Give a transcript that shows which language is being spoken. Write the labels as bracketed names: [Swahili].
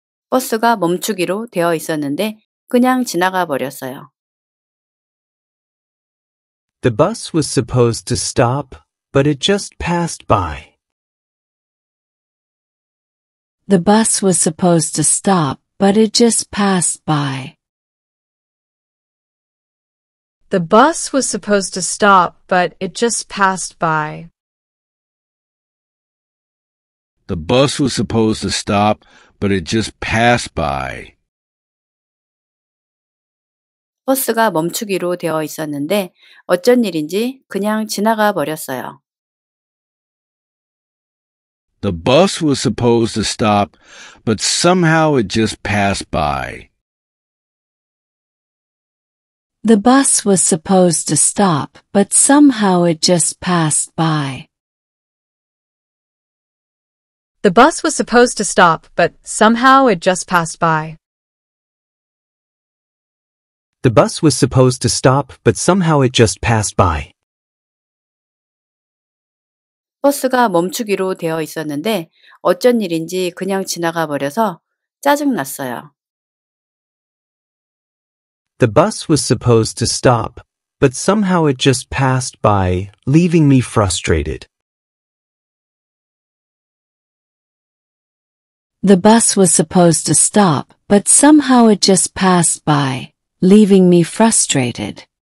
[Korean] 버스가 멈추기로 되어 있었는데 그냥 지나가 버렸어요. [English] The bus was supposed to stop, but it just passed by. The bus was supposed to stop, but it just passed by. The bus was supposed to stop, but it just passed by. The bus was supposed to stop, but it just passed by. [Korean] 버스가 멈추기로 되어 있었는데 어쩐 일인지 그냥 지나가 버렸어요. [English] The bus was supposed to stop, but somehow it just passed by. The bus was supposed to stop, but somehow it just passed by. The bus was supposed to stop, but somehow it just passed by. The bus was supposed to stop, but somehow it just passed by. [Korean] 버스가 멈추기로 되어 있었는데 어쩐 일인지 그냥 지나가 버려서 짜증났어요. [English] The bus was supposed to stop, but somehow it just passed by, leaving me frustrated. The bus was supposed to stop, but somehow it just passed by, leaving me frustrated.